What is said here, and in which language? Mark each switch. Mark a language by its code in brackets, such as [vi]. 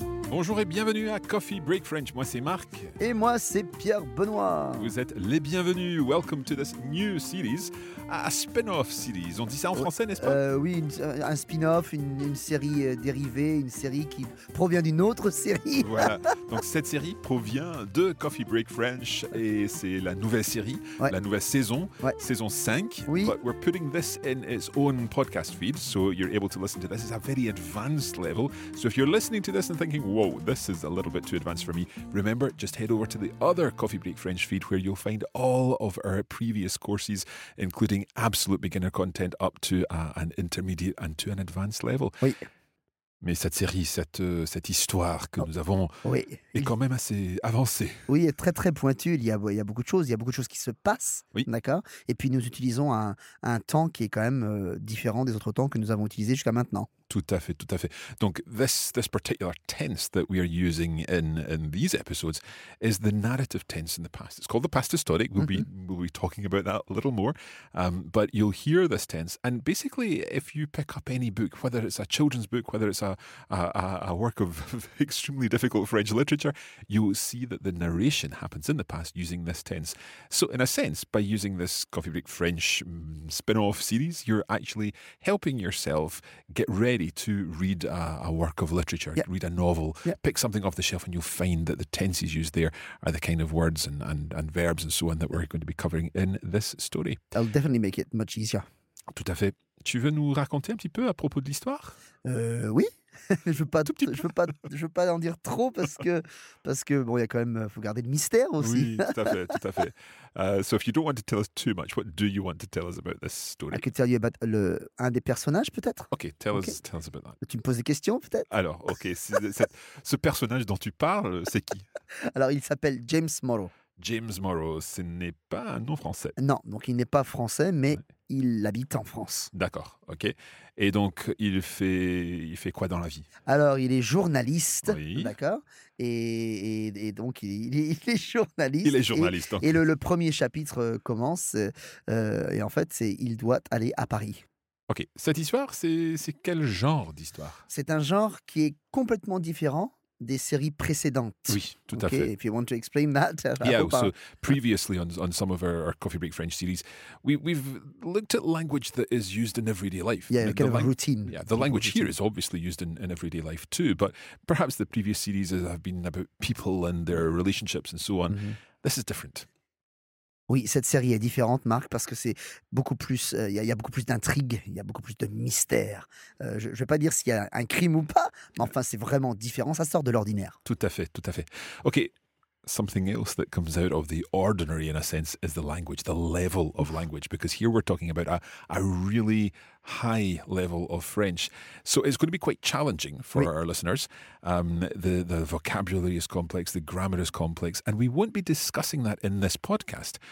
[fr] Bonjour et bienvenue à Coffee Break French. Moi, c'est Marc. Et moi, c'est Pierre Benoît. Vous êtes les bienvenus. [en] Welcome to this new series, a spin-off series. [fr] On dit ça en français, n'est-ce pas? Oui, un spin-off, une série dérivée, une série qui provient d'une autre série. Voilà. Donc, cette série provient de Coffee Break French et c'est la nouvelle série, ouais. La nouvelle saison, ouais. Saison 5. Oui. [en] But we're putting this in its own podcast feed, so you're able to listen to this. It's a very advanced level. So if you're listening to this and thinking, whoa, this is a little bit too advanced for me. Remember, just head over to the other Coffee Break French feed where you'll find all of our previous courses, including absolute beginner content up to an intermediate and to an advanced level. [fr] Oui. Mais cette série, cette histoire que nous avons oui. est quand même assez avancée. Oui, est très très pointue. Il y a beaucoup de choses. Il y a beaucoup de choses qui se passent. Oui. D'accord. Et puis nous utilisons un temps qui est quand même différent des autres temps que nous avons utilisés jusqu'à maintenant. Tout à fait, tout à fait. [en] Donc, this particular tense that we are using in these episodes is the narrative tense in the past. It's called the past historic. We'll be talking about that a little more. But you'll hear this tense. And basically, if you pick up any book, whether it's a children's book, whether it's a work of extremely difficult French literature, you will see that the narration happens in the past using this tense. So, in a sense, by using this Coffee Break French spin-off series, you're actually helping yourself get ready to read a work of literature, yeah. Read a novel, yeah. Pick something off the shelf and you'll find that the tenses used there are the kind of words and verbs and so on that we're going to be covering in this story. That'll definitely make it much easier. [fr] Tout à fait. Tu veux nous raconter un petit peu à propos de l'histoire? Oui. je veux pas en dire trop parce que bon, il y a quand même, faut garder le mystère aussi. Oui, tout à fait, tout à fait. [en] So if you don't want to tell us too much, what do you want to tell us about this story? I could tell you about [fr] un des personnages peut-être. [en] Okay, tell us about that. [fr] Tu me poses des questions peut-être? Alors, okay, ce personnage dont tu parles, c'est qui? Alors, il s'appelle James Morrow. James Morrow, ce n'est pas un nom français. Non, donc il n'est pas français, mais il habite en France. D'accord, ok. Et donc, il fait quoi dans la vie? Alors, il est journaliste, oui. D'accord. Et donc, il est journaliste. Il est journaliste. Et le premier chapitre commence, et en fait, il doit aller à Paris. Ok, cette histoire, c'est quel genre d'histoire? C'est un genre qui est complètement différent des séries précédentes. Oui, tout okay, à fait. [en] If you want to explain that. Yeah, so previously on some of our Coffee Break French series, we've looked at language that is used in everyday life. Yeah, kind of a routine. Yeah, the language here is obviously used in everyday life too, but perhaps the previous series have been about people and their relationships and so on. Mm-hmm. This is different. [fr] Oui, cette série est différente, Marc, parce que c'est beaucoup plus. Il y a beaucoup plus d'intrigue, il y a beaucoup plus de mystère. Je ne vais pas dire s'il y a un crime ou pas, mais enfin, c'est vraiment différent. Ça sort de l'ordinaire. Tout à fait, tout à fait. Okay. [en] Something else that comes out of the ordinary, in a sense, is the language, the level of language, because here we're talking about a really high level of French. So it's going to be quite challenging for oui. our listeners. The vocabulary is complex, the grammar is complex, and we won't be discussing that in this podcast.